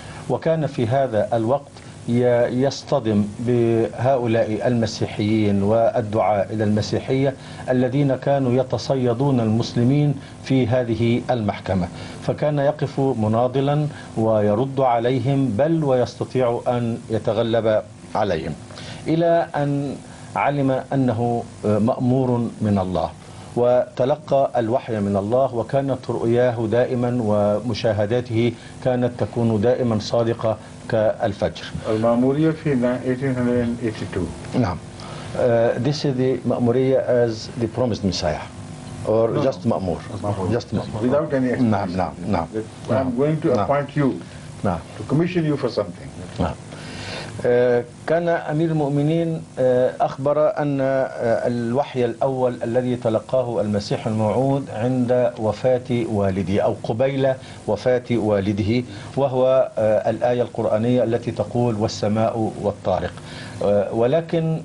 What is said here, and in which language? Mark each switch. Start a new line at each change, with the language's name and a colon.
Arabic: وكان في هذا الوقت يصطدم بهؤلاء المسيحيين والدعاء إلى المسيحية الذين كانوا يتصيدون المسلمين في هذه المحكمة، فكان يقف مناضلا ويرد عليهم بل ويستطيع أن يتغلب عليهم، إلى أن علم أنه مأمور من الله وتلقى الوحي من الله، وكانت رؤياه دائما ومشاهداته كانت تكون دائما صادقة كالفجر. المأمورية في 1882. نعم.
English: This is the مأمورية as the promised Messiah. Or no. Just مأمور. Just مأمور. Without any explanation.
Arabic: نعم نعم نعم.
English: I'm going to appoint you.
Arabic: نعم.
English: To commission you for something.
Arabic: نعم. كان أمير المؤمنين أخبر أن الوحي الأول الذي تلقاه المسيح الموعود عند وفاة والده أو قبيل وفاة والده، وهو الآية القرآنية التي تقول والسماء والطارق، ولكن